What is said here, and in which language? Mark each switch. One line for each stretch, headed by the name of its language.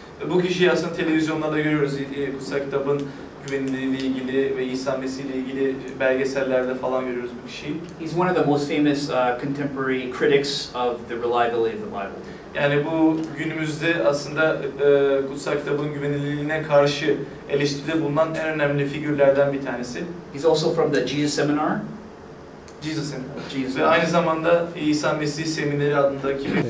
Turkish: Bu kişiyi aslında televizyonlarda görüyoruz kutsal kitabın güvenilirliğiyle ilgili ve İsa Mesih ile ilgili belgesellerde falan görüyoruz bu kişiyi.
English: He's one of the most famous contemporary critics of the reliability of the Bible.
Turkish: Yani bu günümüzde aslında kutsal kitabın güvenilirliğine karşı eleştiride bulunan en önemli figürlerden bir tanesi.
English: He's also from the Jesus Seminar. Jesus Seminar. Jesus.
Turkish: Ve aynı zamanda İsa Mesih Semineri adındaki